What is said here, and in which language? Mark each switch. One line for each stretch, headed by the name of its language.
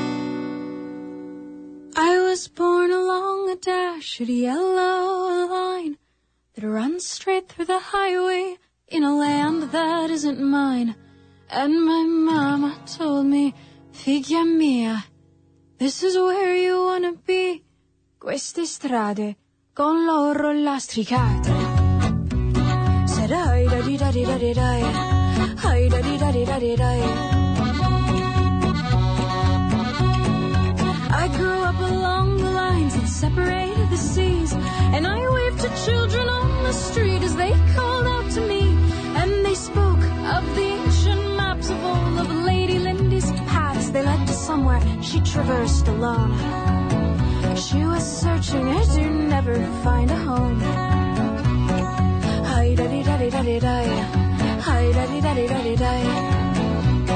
English: was born along a dashed yellow line that runs straight through the highway in a land that isn't mine. And my mama told me,
Italian: figlia mia,
English: this is where you wanna be.
Italian: Queste strade con loro lastricate. Said ay da di da di da di da, ay da di da di da di da.
English: I grew up along the lines that separated the seas, and I waved to children on the street as they called out to me, and they spoke of the ancient maps of all of Lady Lindy's paths. They led to somewhere she traversed alone. She was searching as you never find a home. Hi da di da di da di da, hi da di da di da di da.